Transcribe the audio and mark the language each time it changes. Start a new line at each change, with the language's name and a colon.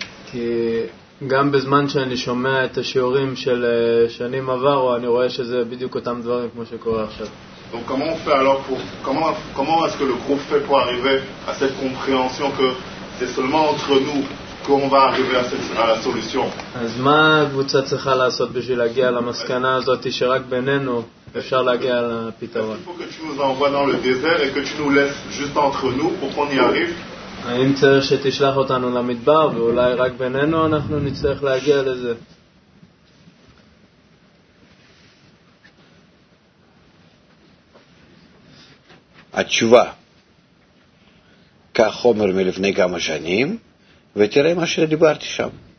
Hebrew: כי גם בזמן שאני שומע את השיעורים של שנים עברו, אני רואה שזה בדיוק אותם דברים כמו שקורה עכשיו.
French: Donc comment on fait alors pour comment est-ce que le groupe fait pour arriver à cette compréhension que c'est seulement entre nous qu'on va arriver à cette à la solution.
Hebrew: אז מה הקבוצה צריכה לעשות בשביל להגיע למסקנה הזאת שרק בינינו אפשר להגיע לפתרון?
French: Il faut que tu nous envoies dans le désert et que tu nous laisses juste entre nous pour qu'on y arrive.
Hebrew: האם צריך שתשלח אותנו למדבר ואולי רק בינינו אנחנו נצטרך להגיע לזה? התשובה, כך חומר מלפני כמה שנים ותראה מה שדיברתי שם.